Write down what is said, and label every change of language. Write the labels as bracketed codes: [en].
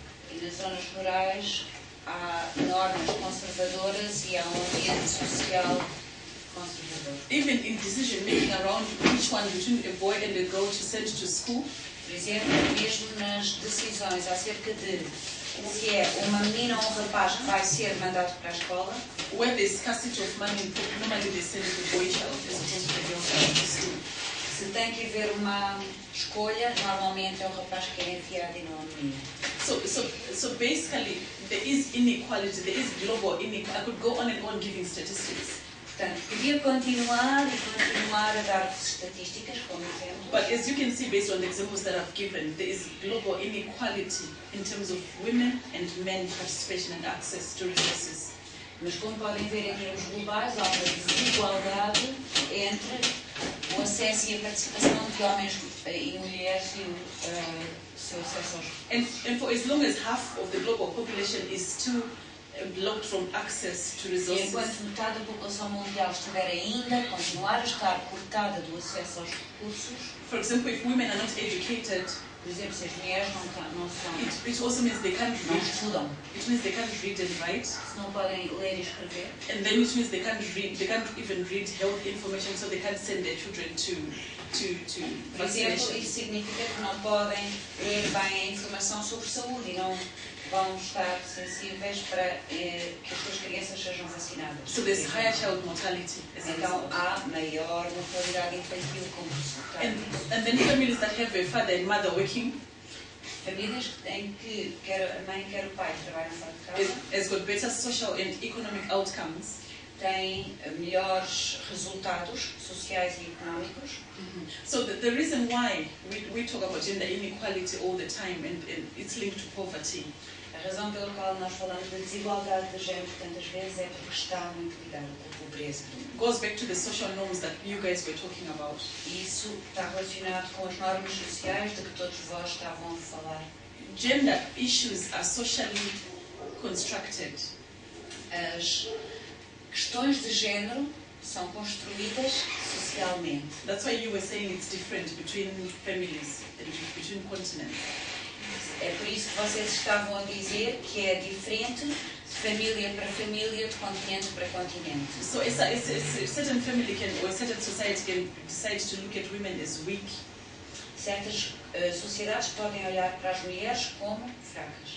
[pt] E nas zonas rurais há normas conservadoras e há um ambiente social conservador. [en] Even in decision making around which one between a boy and a girl to send to school. [pt] Por exemplo, mesmo nas decisões acerca de o que é uma menina ou um rapaz que vai ser mandado para a escola. [en] Where there's scarcity of money, normally they send the boy child as opposed to the girl child to school. [pt] Se tem que haver uma escolha, normalmente é o rapaz que é enviado e não a menina. [en] So basically, there is inequality, there is global inequality. I could go on and on giving statistics. [pt] Portanto, podia continuar e continuar a dar estatísticas como exemplo. [en] But as you can see based on the examples that I've given, there is global inequality in terms of women and men participation and access to resources. [pt] Mas como podem ver em termos globais, há uma desigualdade entre o acesso e a participação de homens e mulheres e o seu acesso aos. [en] And for as long as half of the global population is too blocked from access to resources. [pt] E enquanto metade da população mundial estiver ainda, continuar a estar cortada do acesso aos recursos. [en] For example, if women are not educated. [pt] Por exemplo, se as mulheres não são... [en] It also means they can't read. [pt] Não estudam. [en] It means they can't read and write. [pt] Se não podem ler e escrever. [en] And then it means they can't read, they can't even read health information, so they can't send their children to [pt] Por exemplo, isso significa que não podem ler bem a informação sobre saúde e não vão estar sensíveis para que as suas crianças sejam vacinadas. [en] So there's higher child mortality. [pt] Então há maior mortalidade infantil como resultado. [en] And then families that have a father and mother working. [pt] Famílias em que quer a mãe quer o pai trabalham fora de casa. [en] Has got better social and economic outcomes. [pt] Têm melhores resultados sociais e económicos. [en] So the reason why we talk about gender inequality all the time and it's linked to poverty. [pt] A razão pela qual nós falamos da desigualdade de género tantas vezes é porque está muito ligada com a pobreza. [en] Goes back to the social norms that you guys were talking about. [pt] Isso está relacionado com as normas sociais de que todos vós estavam a falar. [en] Gender issues are socially constructed. [pt] As questões de género são construídas socialmente. [en] That's why you were saying it's different between families and between continents. [pt] É por isso que vocês estavam a dizer que é diferente de família para família, de continente para continente. [en] So a certain family can, or a certain society can decide to look at women as weak. [pt] Certas sociedades podem olhar para as mulheres como fracas.